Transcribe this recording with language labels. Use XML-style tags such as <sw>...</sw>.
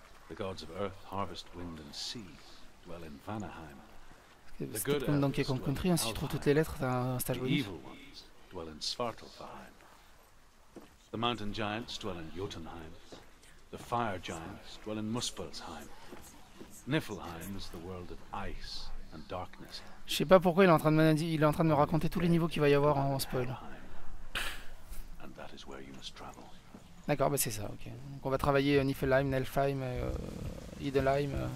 <en>The gods of earth, harvest, wind and sea dwell in Vanaheim.</en> <fr>C'est comme dans Kingdom Country, si tu trouves toutes les lettres, t'as un stage bonus.</fr> <en>The evil ones dwell in Svartalfheim. The mountain giants dwell in Jotunheim. The fire giants dwell in Muspelheim. Niflheim is the world of ice and darkness.</en> <fr>Je sais pas pourquoi il est en train de me raconter tous les niveaux qu'il va y avoir en spoil.</fr> <en>And that is where you must travel.</en> <fr>D'accord, bah c'est ça, ok. Donc on va travailler Niflheim, Nelfheim, Idelheim.</fr>